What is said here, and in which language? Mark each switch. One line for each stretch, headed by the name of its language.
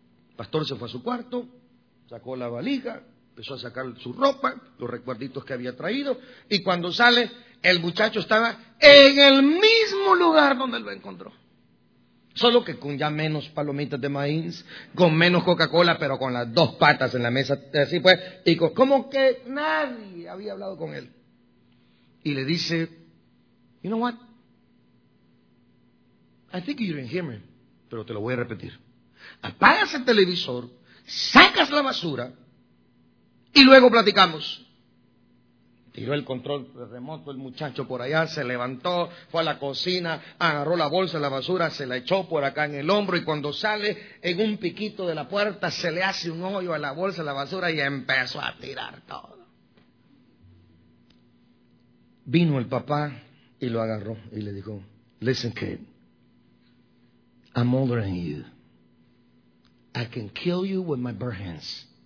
Spanish: El pastor se fue a su cuarto, sacó la valija, empezó a sacar su ropa, los recuerditos que había traído, y cuando sale, el muchacho estaba en el mismo lugar donde lo encontró. Solo que con ya menos palomitas de maíz, con menos Coca-Cola, pero con las dos patas en la mesa, así fue, y como que nadie había hablado con él. Y le dice:
English: you know what? I think you didn't hear me,
Spanish: pero te lo voy a repetir. Apagas el televisor, sacas la basura y luego platicamos. Tiró el control remoto el muchacho por allá, se levantó, fue a la cocina, agarró la bolsa de la basura, se la echó por acá en el hombro y cuando sale en un piquito de la puerta se le hace un hoyo a la bolsa de la basura y empezó a tirar todo. Vino el papá y lo agarró y le dijo:
English: listen, kid. I'm older than you. I can kill you with my bare hands.